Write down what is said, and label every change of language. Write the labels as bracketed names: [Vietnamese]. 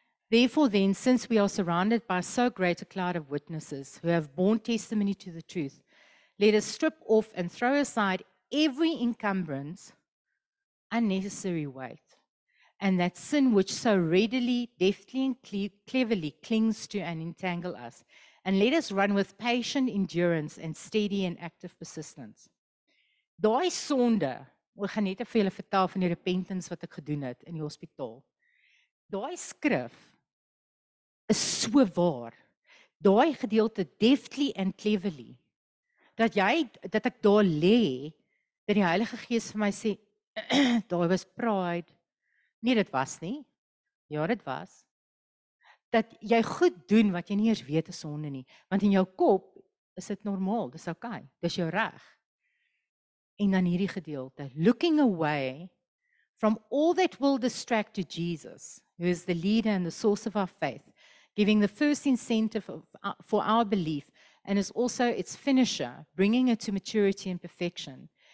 [English] Therefore then, since we are surrounded by so great a cloud of witnesses who have borne testimony to the truth, let us strip off and throw aside every encumbrance, unnecessary weight, and that sin which so readily, deftly, and cleverly clings to and entangle us, and let us run with patient endurance and steady and active persistence. [Afrikaans] Daai sonde, ek gaan net vir julle vertel van die repentance wat ek gedoen het in die hospitaal. Daai skrif is so waar. Daai gedeelte, [English] deftly and cleverly, [Afrikaans] dat ek daar lê, dat die Heilige Gees vir my sê, daai was pride. Nee, dit was nie. Ja, dit was. Dat jy goed doen wat jy nie eers weet is sonde nie. Want in jou kop is dit normaal, dis oké, okay, dis jou reg. En dan hierdie gedeelte, [English] looking away from all that will distract to Jesus, who is the leader and the source of our faith, giving the first incentive for our belief, and is also its finisher, bringing it to maturity and perfection.